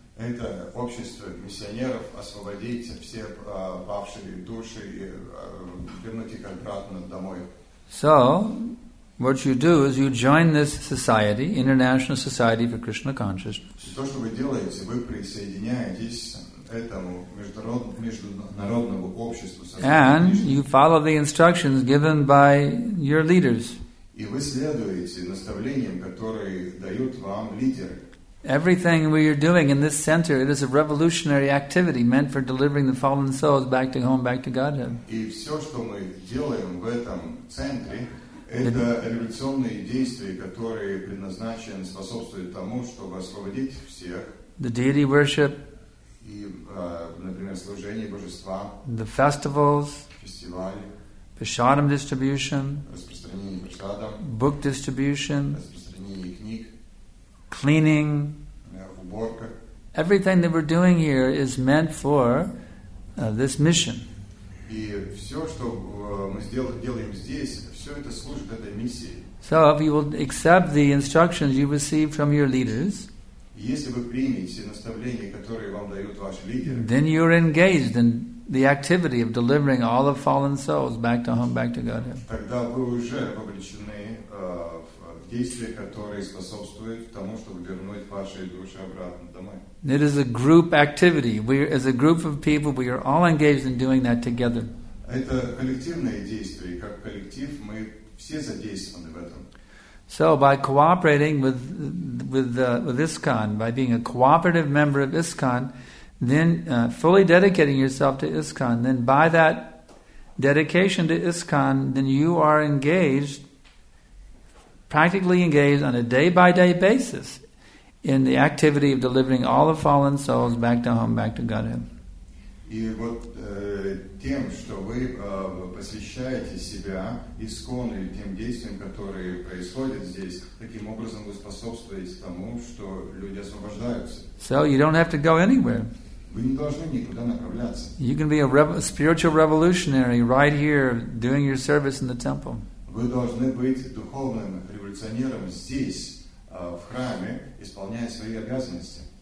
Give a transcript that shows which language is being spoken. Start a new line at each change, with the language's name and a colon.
Russian: Это общество миссионеров освободить все павшие души и вернуть их обратно домой.
English: So, what you do is you join this society, International Society for Krishna Consciousness.
Russian: То, что вы делаете, вы присоединяетесь этому международному обществу.
English: And you follow the instructions given by your leaders.
Russian: И вы следуете наставлениям, которые дают вам лидеры.
English: Everything we are doing in this center, it is a revolutionary activity meant for delivering the fallen souls back to home, back to Godhead.
Russian: И все, что мы делаем в этом центре, это революционные действия, которые предназначены способствовать тому, чтобы освободить всех.
English: The deity worship.
Russian: И, например, служение божества.
English: The festivals.
Russian: Фестивали.
English: Prasadam distribution,
Russian: распространение прасадам,
English: book distribution,
Russian: распространение книг,
English: cleaning,
Russian: уборка.
English: Everything that we're doing here is meant for this mission.
Russian: И все, что мы делаем здесь, все это служит этой миссии.
English: So if you will accept the instructions you receive from your leaders,
Russian: если вы примете наставления, которые вам дают ваши лидеры,
English: then you're engaged in the activity of delivering all the fallen souls back to home, back to Godhead.
Russian: Тогда вы уже вовлечены в действия, которые способствуют тому, чтобы вернуть ваши души обратно домой.
English: It is a group activity. We, as a group of people, we are all engaged in doing that together.
Russian: Это коллективное действие. Как коллектив, мы все задействованы в этом.
English: So by cooperating with ISKCON, by being a cooperative member of ISKCON, then fully dedicating yourself to ISKCON, then by that dedication to ISKCON, then you are engaged, practically engaged on a day-by-day basis in the activity of delivering all the fallen souls back to home, back to Godhead.
Russian: И вот тем, что вы посвящаете себя ИСККОН и тем действиям, которые происходят здесь, таким образом вы способствуете тому, что люди освобождаются.
English: So you don't have to go anywhere.
Russian: Вы не должны никуда направляться.
English: You can be a spiritual revolutionary right here doing your service in the temple.
Russian: Вы должны быть духовным революционером здесь, в храме, исполняя свои обязанности.